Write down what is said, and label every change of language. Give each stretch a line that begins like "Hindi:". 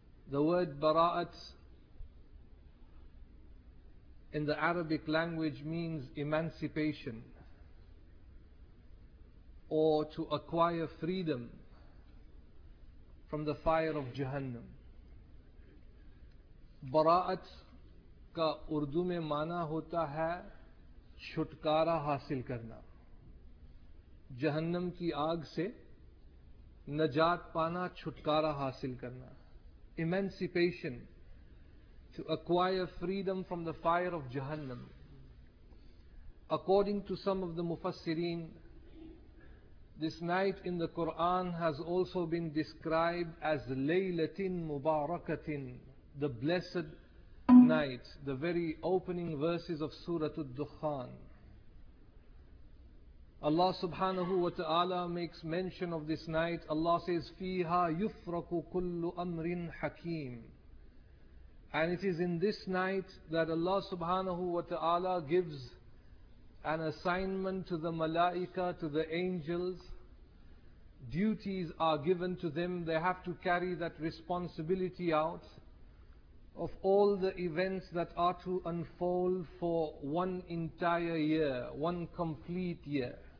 English: The word Bara'at in the Arabic language means emancipation or to acquire freedom from the fire of Jahannam.
Urdu: Bara'at ka Urdu mein mana hota hai چھٹکارا حاصل کرنا، جہنم کی آگ سے نجات پانا، چھٹکارا حاصل کرنا.
English: Emancipation, to acquire freedom from the fire of جہنم. According to some of the مفسرین, this night in the Quran has also been described as لیلتن مبارکتن, the blessed night, the very opening verses of Surah Ad-Dukhan. Allah subhanahu wa ta'ala makes mention of this night. Allah says,
Arabic: فِيهَا يُفْرَقُ كُلُّ أَمْرٍ حَكِيمٍ.
English: And it is in this night that Allah subhanahu wa ta'ala gives an assignment to the malaika, to the angels. Duties are given to them. They have to carry that responsibility out of all the events that are to unfold for one entire year, one complete year.